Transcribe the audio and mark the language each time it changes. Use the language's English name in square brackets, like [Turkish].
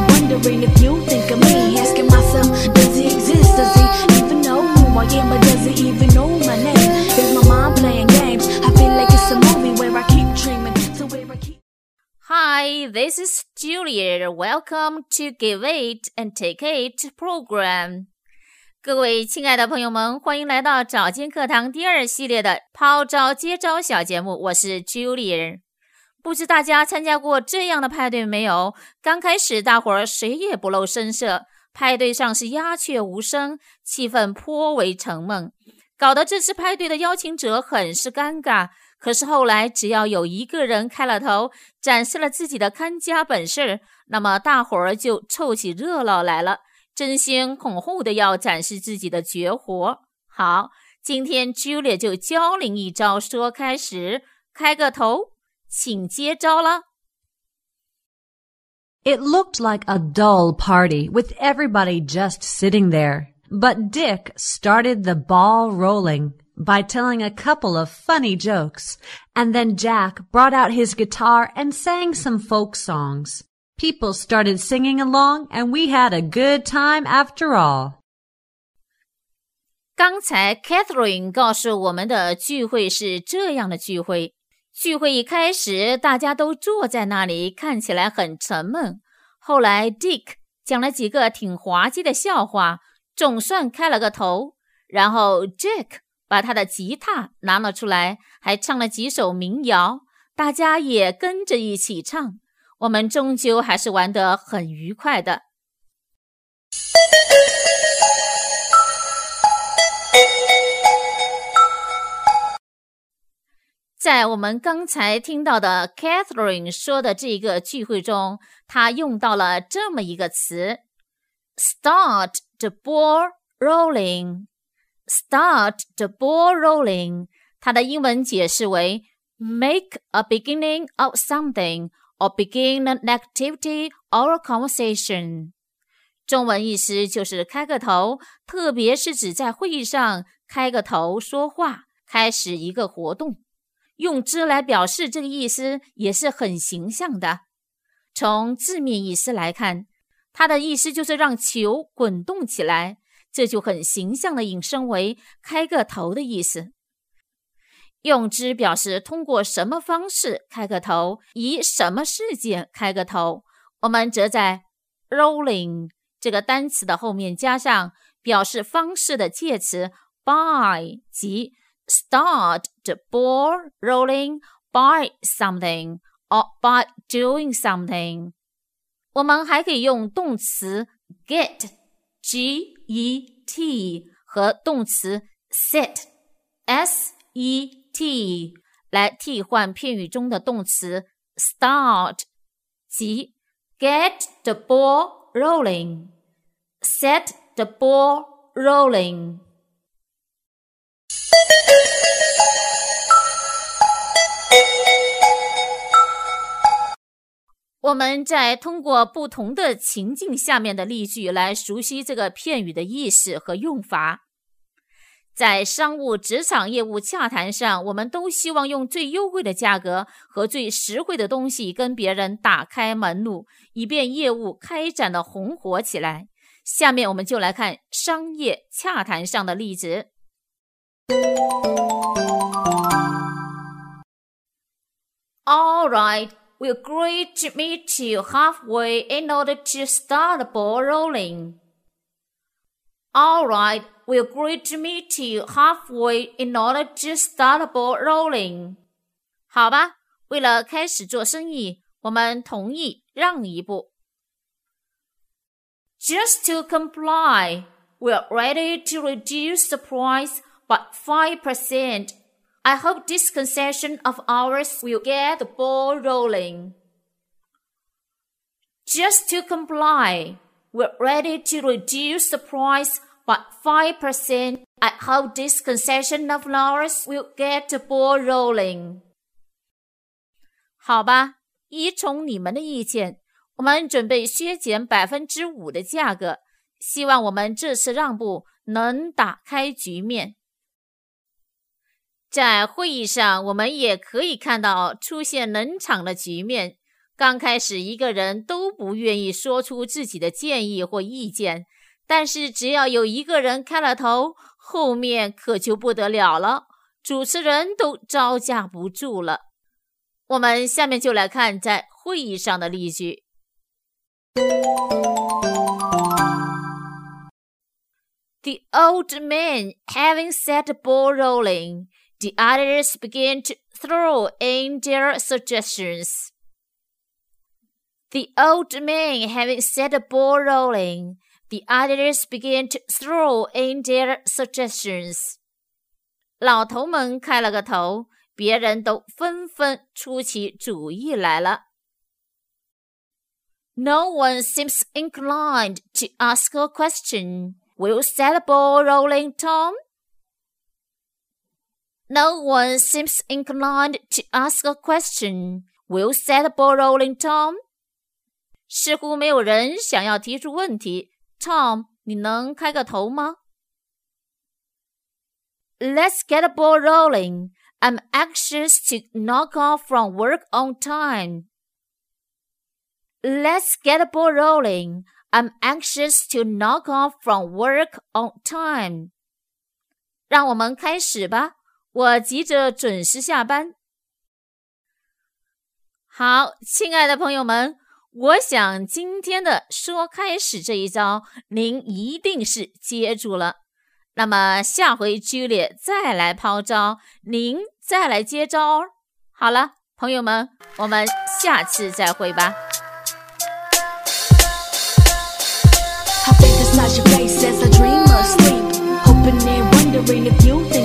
[English] wondering if you think of me. Asking myself, does he exist? Does he even know who I am? Or does he even know my name? Is my mind playing games? I feel like it's a movie where I keep dreaming. So where I keep... Hi, this is Juliet. Welcome to Give It and Take It program. [Chinese] 各位亲爱的朋友们，欢迎来到找金课堂第二系列的抛招接招小节目，我是 Julie。不知大家参加过这样的派对没有？刚开始大伙儿谁也不露声色，派对上是鸦雀无声，气氛颇为沉闷，搞得这次派对的邀请者很是尴尬。可是后来只要有一个人开了头，展示了自己的看家本事，那么大伙儿就凑起热闹来了，争先恐后的要展示自己的绝活。好，今天 Julia 就教您一招，说开始，开个头，请接招了。 [English] It looked like a dull party with everybody just sitting there, but Dick started the ball rolling by telling a couple of funny jokes, and then Jack brought out his guitar and sang some folk songs. People started singing along, and we had a good time after all. [Chinese] 刚才 Catherine 告诉我们的聚会是这样的聚会。聚会一开始，大家都坐在那里，看起来很沉闷。后来 Dick 讲了几个挺滑稽的笑话，总算开了个头。然后 Jack 把他的吉他拿了出来，还唱了几首民谣，大家也跟着一起唱。我们终究还是玩得很愉快的。在我们刚才听到的 Catherine 说的这个聚会中，她用到了这么一个词 , [English] start the ball rolling, [Chinese] start the ball rolling, 它的英文解释为 [English] make a beginning of something,or begin an activity or a conversation. [Chinese] 中文意思就是开个头，特别是指在会议上开个头说话，开始一个活动。用之来表示这个意思也是很形象的。从字面意思来看，它的意思就是让球滚动起来，这就很形象的引申为开个头的意思。用之表示通过什么方式开个头，以什么事件开个头，我们则在 rolling 这个单词的后面加上表示方式的介词 by, 即 [English] start the ball rolling by something or by doing something。 [Chinese] 我们还可以用动词 get G-E-T 和动词 set S-E-T 来替换片语中的动词 start, 即 [English] get the ball rolling, set the ball rolling. [Chinese] 我们再通过不同的情境下面的例句来熟悉这个片语的意思和用法。在商务职场业务洽谈上，我们都希望用最优惠的价格和最实惠的东西跟别人打开门路，以便业务开展的红火起来。下面我们就来看商业洽谈上的例子。 [English] All right, we agree to meet you halfway in order to start the ball rolling. All right. We agree to meet you halfway in order to start the ball rolling. [Chinese] 好吧，为了开始做生意，我们同意让一步。 [English] Just to comply, we are ready to reduce the price by 5%. I hope this concession of ours will get the ball rolling. Just to comply, we are ready to reduce the price by 5%, I hope this concession of ours will get the ball rolling. [Chinese] 好吧，依从你们的意见，我们准备削减 5% 的价格，希望我们这次让步能打开局面。在会议上，我们也可以看到出现冷场的局面。刚开始一个人都不愿意说出自己的建议或意见，但是只要有一个人开了头，后面可就不得了了，主持人都招架不住了。我们下面就来看在会议上的例句。 [English] The old man having set the ball rolling, the others began to throw in their suggestions. The old man having set the ball rolling, the others began to throw in their suggestions. [Chinese] 老头们开了个头，别人都纷纷出起主意来了。 [English] No one seems inclined to ask a question. Will set the ball rolling, Tom? No one seems inclined to ask a question. Will set the ball rolling, Tom? [Chinese] 似乎没有人想要提出问题。 Tom, 你能开个头吗？ [English] Let's get the ball rolling. I'm anxious to knock off from work on time. Let's get the ball rolling. I'm anxious to knock off from work on time. [Chinese] 让我们开始吧，我急着准时下班。好，亲爱的朋友们，我想今天的说开始这一招您一定是接住了。那么下回 Julia 再来抛招，您再来接招哦。好了，朋友们，我们下次再会吧。 [English] Not your face as a dream or sleep. Hoping and wondering if you